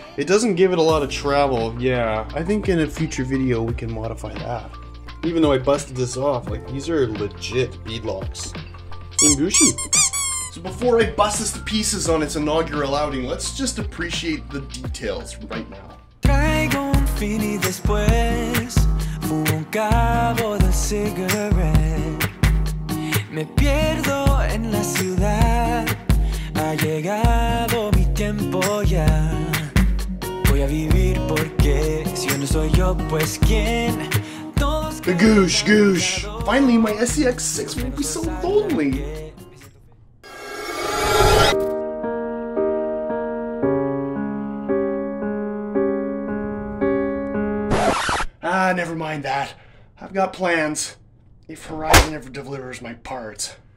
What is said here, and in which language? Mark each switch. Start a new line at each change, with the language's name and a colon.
English: It doesn't give it a lot of travel. Yeah, I think in a future video we can modify that. Even though I busted this off, like, these are legit beadlocks. Ingushi. So before I bust this to pieces on its inaugural outing, let's just appreciate the details right now.
Spanish: Traigo un fini después, un cabo de cigarette. Me pierdo en la ciudad, ha llegado mi tiempo ya. Voy a vivir porque si no soy yo, pues quién. Goosh, goosh.
English: Finally, my SCX6 won't be so lonely. Ah, never mind that. I've got plans. If Horizon ever delivers my parts.